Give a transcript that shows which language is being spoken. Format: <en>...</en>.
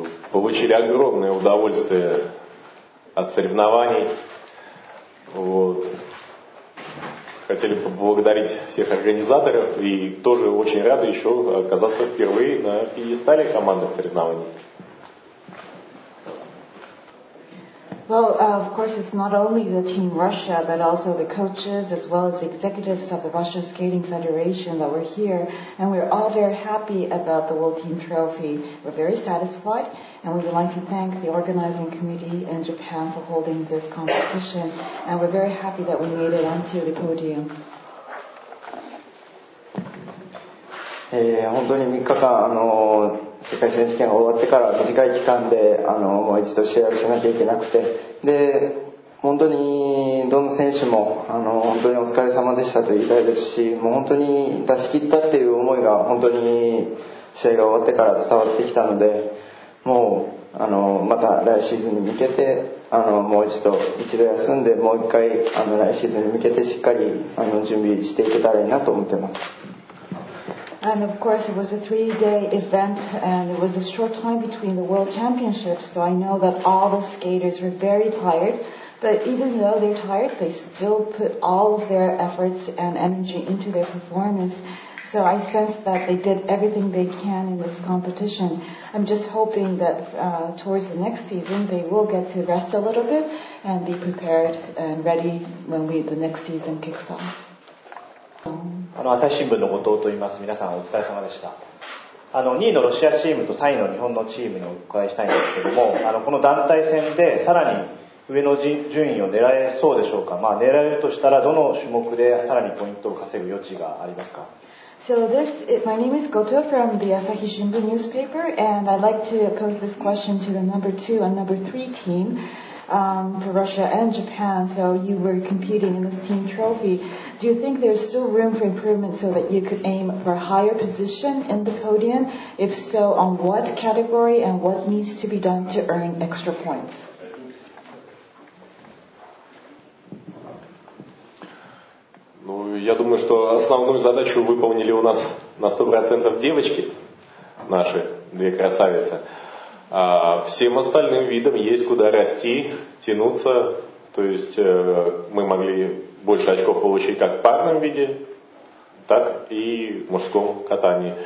<ru>Получили огромное удовольствие от соревнований. Хотели поблагодарить всех организаторов и тоже очень рады еще оказаться впервые на пьедестале командных соревнований.</ru> <en>Well, of course, it's not only the Team Russia, but also the coaches, as well as the executives of the Russia Skating Federation that were here. And we're all very happy about the World Team Trophy. We're very satisfied, and we would like to thank the organizing committee in Japan for holding this competition. And we're very happy that we made it onto the podium.</en> <ja>本当に3日間世界選手権が終わってから短い期間でもう一度試合をしなきゃいけなくて、で本当にどの選手も本当にお疲れ様でしたと言いたいですし、もう本当に出し切ったっていう思いが本当に試合が終わってから伝わってきたので、もうまた来シーズンに向けてもう一度休んで、もう一回来シーズンに向けてしっかり準備していけたらいいなと思ってます。</ja> <en>And of course, it was a three-day event, and it was a short time between the World Championships, so I know that all the skaters were very tired. But even though they're tired, they still put all of their efforts and energy into their performance. So I sense that they did everything they can in this competition. I'm just hoping that towards the next season, they will get to rest a little bit and be prepared and ready when the next season kicks off.</en> <ja>朝日新聞の後藤と言います。皆さんお疲れ様でした。2位のロシアチームと3位の日本のチームにお伺いしたいんですけども、この団体戦でさらに上の順位を狙えそうでしょうか。狙えるとしたらどの種目でさらにポイントを稼ぐ余地がありますか。</ja> <en>So my name is Goto from the Asahi Shimbun newspaper, and I'd like to pose this question to the number 2 and number 3 teamfor Russia and Japan. So you were competing in this team trophy. Do you think there's still room for improvement so that you could aim for a higher position in the podium? If so, on what category and what needs to be done to earn extra points?</en> <ru>Ну, я думаю, что основную задачу выполнили у нас на 100% девочки, наши две красавицы. А всем остальным видам есть куда расти, тянуться. То есть мы могли больше очков получить как в парном виде, так и в мужском катании.</ru>